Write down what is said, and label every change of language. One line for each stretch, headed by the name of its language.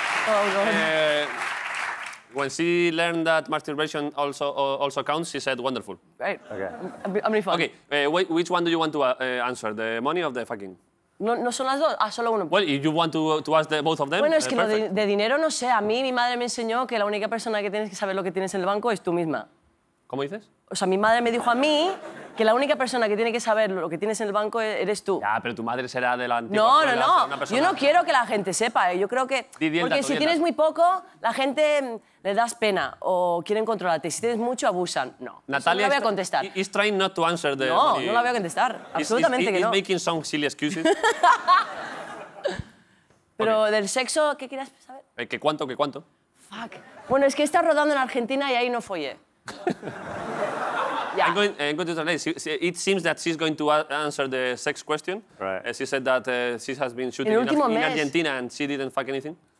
English: Oh, God. When she learned that masturbation also counts, she said, wonderful. Right. Okay. I'm really fun. Okay, which one do you want to answer, the money or the fucking?
Spanish: No son las dos, solo uno.
English: Well, if you want to ask both of them.
Spanish: Bueno, es que perfect. Lo de dinero no sé. A mí mi madre me enseñó que la única persona que tienes que saber lo que tienes en el banco es tú misma. ¿Cómo dices? O sea, mi madre me dijo a mí que la única persona que tiene que saber lo que tienes en el banco eres tú. Ya, pero tu madre será de la antigua. No. Yo no quiero que la gente sepa. Yo creo que Porque si tienes muy poco, la gente le das pena o quieren controlarte. Si tienes mucho, abusan. No. Natalia, no la voy a contestar.
English: Is trying not to answer the.
Spanish: No, no la voy a contestar. Absolutamente que no.
English: Is making some silly excuses.
Spanish: Pero okay. Del sexo, ¿qué quieres saber? ¿Qué cuánto?
English: Fuck.
Spanish: Bueno, es que estás rodando en Argentina y ahí no follé.
English: Yeah. I'm going to translate. It seems that she's going to answer the sex question. Right. She said that she has been shooting in Argentina and she didn't fuck anything.